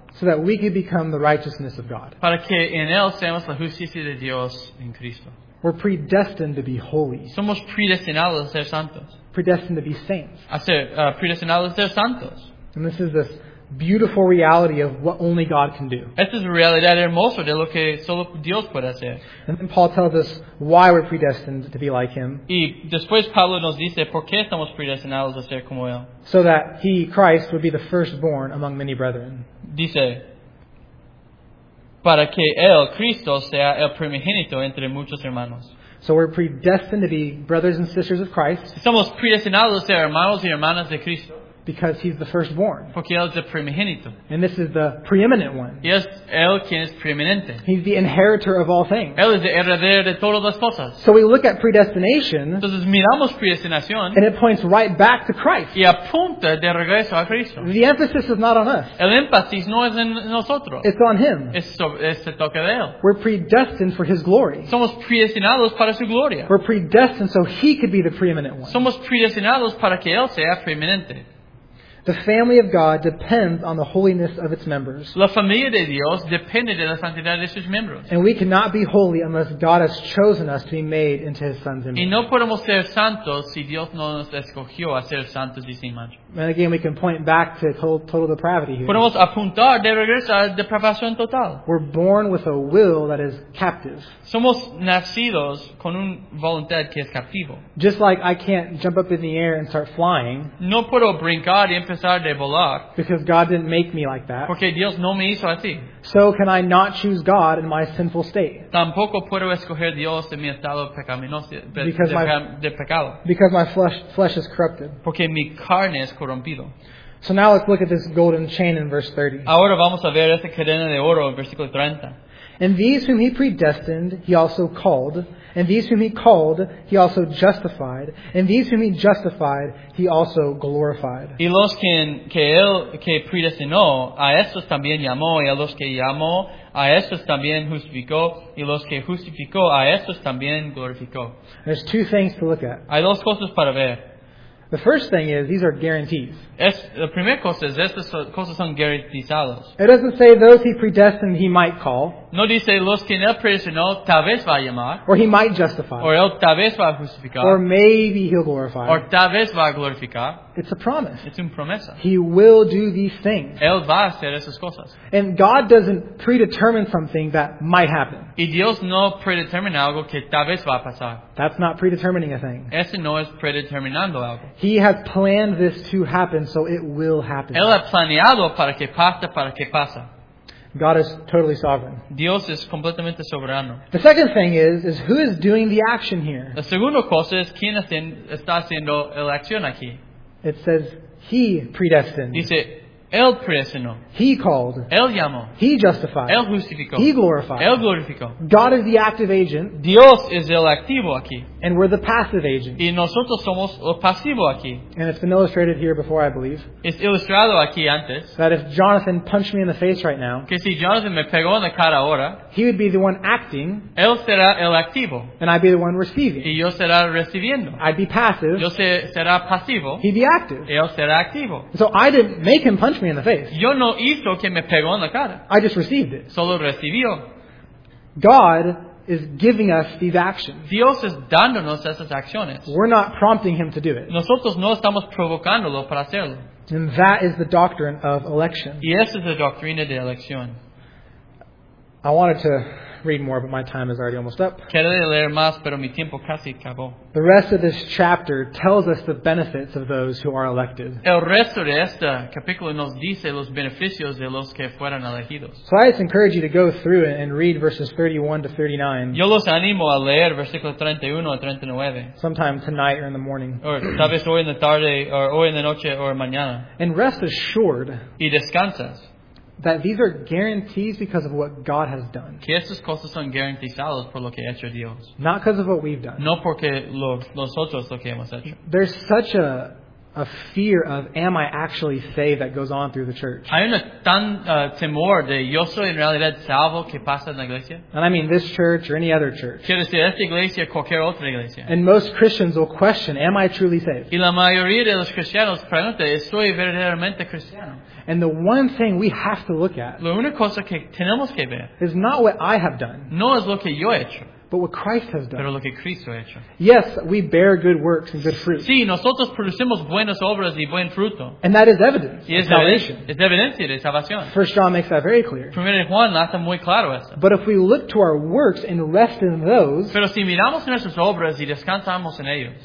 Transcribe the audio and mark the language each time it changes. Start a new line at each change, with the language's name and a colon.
English: so that we could become the righteousness of God.
Spanish: Para que en Él seamos la justicia de Dios en Cristo.
English: We're predestined to be holy.
Spanish: Somos predestinados a ser santos.
English: Predestined to be saints.
Spanish: Predestinados a ser santos.
English: And this is this beautiful reality of what only God can do.
Spanish: Esta es la realidad hermosa de lo que solo Dios puede hacer.
English: And then Paul tells us why we're predestined to be like Him.
Spanish: Y después Pablo nos dice por qué estamos predestinados a ser como Él.
English: So that He, Christ, would be the firstborn among many brethren.
Spanish: Dice, para que Él, Cristo, sea el primogénito entre muchos hermanos.
English: So we're predestined to be brothers and sisters of Christ.
Spanish: Somos predestinados a ser hermanos y hermanas de Cristo.
English: Because He's the firstborn.
Spanish: Porque Él es el primogénito.
English: And this is the preeminent one.
Spanish: Y es Él quien es preeminente.
English: He's the inheritor of all things.
Spanish: Él es el heredero de todas las cosas.
English: So we look at predestination.
Spanish: Entonces miramos predestinación.
English: And it points right back to Christ.
Spanish: Y apunta de regreso a Cristo.
English: The emphasis is not on us.
Spanish: El énfasis no es en nosotros.
English: It's on Him.
Spanish: Es el toque de Él.
English: We're predestined for His glory.
Spanish: Somos predestinados para su gloria.
English: We're predestined so He could be the preeminent one.
Spanish: Somos predestinados para que Él sea preeminente.
English: The family of God depends on the holiness of its members.
Spanish: La familia de Dios depende de la santidad de sus miembros.
English: And we cannot be holy unless God has chosen us to be made into His Son's image.
Spanish: Y no podemos ser santos si Dios no nos escogió a ser santos y sin mancha.
English: And again, we can point back to total depravity here.
Spanish: Podemos apuntar de regreso a depravación total.
English: We're born with a will that is captive.
Spanish: Somos nacidos con un voluntad que es captivo.
English: Just like I can't jump up in the air and start flying.
Spanish: No puedo brincar y empezar de volar.
English: Because God didn't make me like that.
Spanish: Porque Dios no me hizo así.
English: So can I not choose God in my sinful state?
Spanish: Tampoco puedo escoger Dios en mi estado pecaminoso, de pecado.
English: Because my flesh is corrupted.
Spanish: Porque mi carne es corrompido.
English: So now let's look at this golden chain in verse 30.
Spanish: Ahora vamos a ver esta cadena de oro en versículo 30.
English: And these whom He predestined, He also called. And these whom He called, He also justified. And these whom He justified, He also glorified.
Spanish: Y los que Él que predestinó, a estos también llamó. Y a los que llamó, a estos también justificó. Y los que justificó, a estos también glorificó.
English: There's two things to look at.
Spanish: Hay dos cosas para ver.
English: The first thing is, these are guarantees.
Spanish: La primera cosa es, estas cosas son garantizadas.
English: It doesn't say those He predestined He might call.
Spanish: No dice los que Él predestinó tal vez va a llamar.
English: Or He might justify. Or
Spanish: Él tal vez va a justificar.
English: Or maybe He'll glorify. Or
Spanish: tal vez va a glorificar.
English: It's a promise.
Spanish: Es una promesa.
English: He will do these things.
Spanish: Él va a hacer esas cosas.
English: And God doesn't predetermine something that might happen.
Spanish: Y Dios no predetermina algo que tal vez va a pasar.
English: That's not predetermining a thing.
Spanish: Ese no es predeterminando algo.
English: He has planned this to happen, so it will happen.
Spanish: Él ha planeado para que pase, para que pasa.
English: God is totally sovereign.
Spanish: Dios es completamente soberano.
English: The second thing is who is doing the action here?
Spanish: La segunda cosa es quién está haciendo la acción aquí.
English: It says He predestined.
Spanish: Dice Él predestinó.
English: He called.
Spanish: Él llamó.
English: He justified.
Spanish: Él justificó.
English: He glorified.
Spanish: Él glorificó.
English: God is the active agent.
Spanish: Dios es el activo aquí.
English: And we're the passive agent.
Spanish: Y nosotros somos el pasivo aquí.
English: And it's been illustrated here before, I believe.
Spanish: Es ilustrado aquí antes.
English: That if Jonathan punched me in the face right now.
Spanish: Que si Jonathan me pegó en la cara ahora.
English: He would be the one acting.
Spanish: Él será el activo.
English: And I'd be the one receiving.
Spanish: Y yo será recibiendo.
English: I'd be passive.
Spanish: Yo será pasivo.
English: He'd be active.
Spanish: Él será activo.
English: So I didn't make him punch me in the face.
Spanish: Yo no hizo que me pegó en la cara.
English: I just received it.
Spanish: Solo recibió.
English: God is giving us these actions.
Spanish: Dios es dándonos esas acciones.
English: We're not prompting him to do it.
Spanish: Nosotros no estamos provocándolo para hacerlo.
English: And that is the doctrine of election.
Spanish: Y esa es la doctrina de elección.
English: I wanted to read more, but my time is already almost up.
Spanish: Quería leer más, pero mi tiempo casi acabó.
English: The rest of this chapter tells us the benefits of those who are elected.
Spanish: El resto de este capítulo nos dice los beneficios de los que fueron elegidos.
English: So I just encourage you to go through it and read verses 31 to 39.
Spanish: Yo los animo a leer versículos 31 a 39.
English: Sometime tonight or in the morning. Or
Spanish: tal vez hoy en la tarde,
English: or
Spanish: hoy en la noche, or mañana.
English: And rest assured.
Spanish: Y descansas.
English: That these are guarantees because of what God has done.
Spanish: Que estas cosas son garantizadas por lo que ha hecho Dios.
English: Not because of what we've done.
Spanish: No porque nosotros lo que hemos hecho.
English: There's such a fear of am I actually saved that goes on through the church.
Spanish: Hay un tan temor de yo soy en realidad salvo que pasa en la iglesia.
English: And I mean this church or any other church.
Spanish: Quiero decir esta iglesia, cualquier otra iglesia.
English: And most Christians will question, am I truly saved?
Spanish: Y la mayoría de los cristianos pregunta, ¿soy verdaderamente cristiano?
English: And the one thing we have to look at,
Spanish: la una cosa que tenemos que ver,
English: is not what I have done.
Spanish: No es lo que yo he hecho.
English: But what Christ has done.
Spanish: Pero lo que Cristo ha hecho.
English: Yes, we bear good works and good fruit.
Spanish: Sí, nosotros producimos buenas obras y buen fruto.
English: And that is evidence.
Spanish: Y es
English: salvation.
Spanish: Es evidencia de salvación.
English: 1 John makes that very clear.
Spanish: Primero Juan hace muy claro eso.
English: But if we look to our works and rest in those.
Spanish: Pero si miramos nuestras obras y descansamos en ellos.